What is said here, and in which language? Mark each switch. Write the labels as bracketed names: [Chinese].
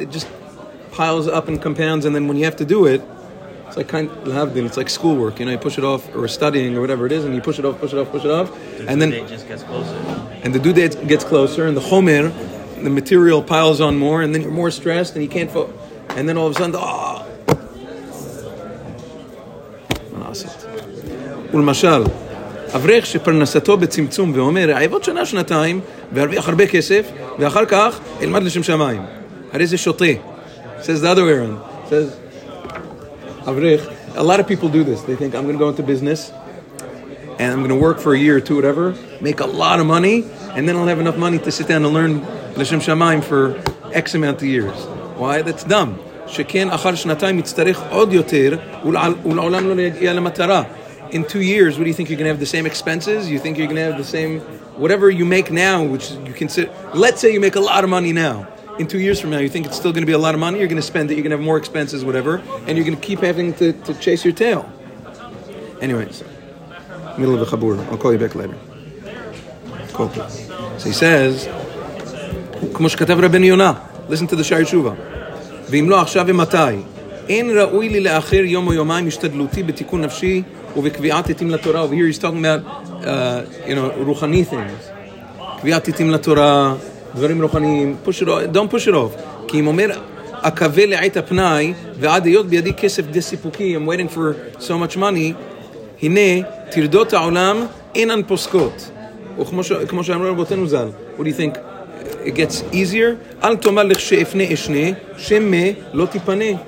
[English] It just piles up and compounds, and then when you have to do it, it's like kind of lahavdin. It's like schoolwork, you know. You push it off, or studying, or whatever it is, and you push it off, and then the due date just gets closer. And the due date gets closer, and the chomer, the material piles on more, and then you're more stressed, and you can't. And then all of a sudden, [Hebrew] ולמשל, אברך שפרנסתו בצמצום ואומר, עבוד שנה שנתיים, וארוויח הרבה כסף, ואחר כך, אלמד לשם שמיים. הרי זה שוטה. [English] Says the other way around. Says, אברך, a lot of people do this. They think, I'm going to go into business, and I'm going to work for a year or two, whatever, make a lot of money, and then I'll have enough money to sit down and learn לשם שמיים for X amount of years. Why? That's dumb. [Hebrew] שכן אחר שנתיים יצטרך עוד יותר ולעולם לא יגיע למטרה. [English] In 2 years, what do you think you're going to have the same expenses? You think you're going to have the same... Whatever you make now, which you consider... Let's say you make a lot of money now. In 2 years from now, you think it's still going to be a lot of money? You're going to spend it, you're going to have more expenses, whatever. And you're going to keep having to chase your tail. Anyways. Middle of the Chabur. I'll call you back later. Cool. So he says... [Hebrew] כמו שכתב רבן יונה. [English] Listen to the Shari Shuvah. [Hebrew] ואם לא עכשיו ומתי, אין ראוי לי לאחר יום או יומיים השתדלותי בתיקון נפשי ובקביעת עתים לתורה. [English] Over here he's talking about, you know, רוחני things. [Hebrew] קביעת עתים לתורה, דברים רוחניים, [English] push it off, don't push it off. [Hebrew] כי אם אומר, עקבה לעת הפנאי ועד היות בידי כסף די סיפוקי, [English] I'm waiting for so much money, [Hebrew] הנה, תרדות העולם אינן פוסקות. וכמו שאמרו רבותינו ז"ל, [English] what do you think? It gets easier. [Hebrew] אל תאמר לך שאפנה אשנה, שמה לא תיפנה.